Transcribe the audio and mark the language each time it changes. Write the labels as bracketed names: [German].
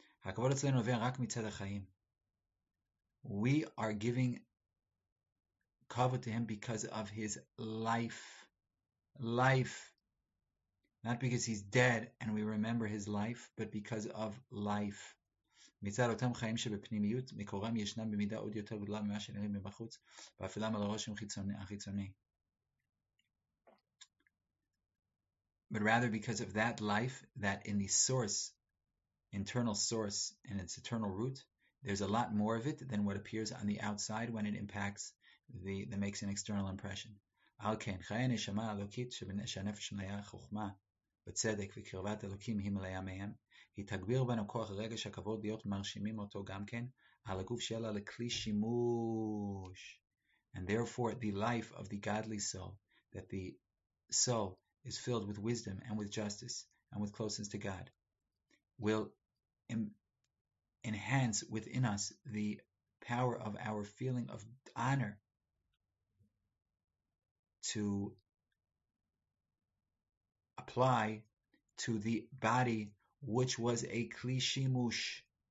[Hebrew] Hakavod etzlein ovei rak mitzad ha'chaim. [English] We are giving kavod to him because of his life. Life. Not because he's dead and we remember his life, but because of life. [Hebrew] מצד אותם חיים שבפנימיות, מקורם ישנם במידה עוד יותר גדולה ממה שנראים מבחוץ, באפלם על הרושם החיצוני. [English] But rather because of that life, that in the source, internal source, in its eternal root, there's a lot more of it than what appears on the outside when it impacts the makes an external impression. [Hebrew] על כן, חיי הנשמה האלוקית שהנפש מלאה חוכמה, בצדק וקרבת אלוקים היא מלאה מהם, היא תגביר בנו כוח רגש הכבוד להיות מרשימים אותו גם כן, על הגוף שלה לכלי שימוש. [English] And therefore the life of the godly soul, that the soul is filled with wisdom and with justice and with closeness to God, will enhance within us the power of our feeling of honor to apply to the body, which was a kli shimush.